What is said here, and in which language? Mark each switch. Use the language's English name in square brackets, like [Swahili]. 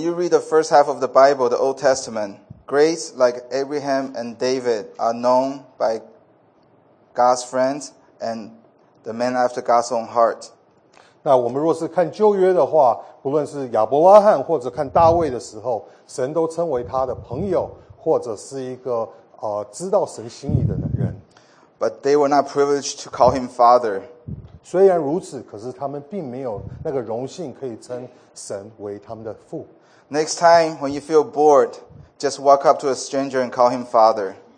[English] you read the first half of the Bible, the Old Testament, greats like Abraham and David are known by God's friends and the men after God's own heart. [Chinese] 那我们若是看旧约的话，不论是亚伯拉罕或者看大卫的时候，神都称为他的朋友，或者是一个知道神心意的人。 [English] But they were not privileged to call him father. [Chinese] 虽然如此，可是他们并没有那个荣幸可以称神为他们的父。 [English] Next time when you feel bored, just walk up to a stranger and call him father.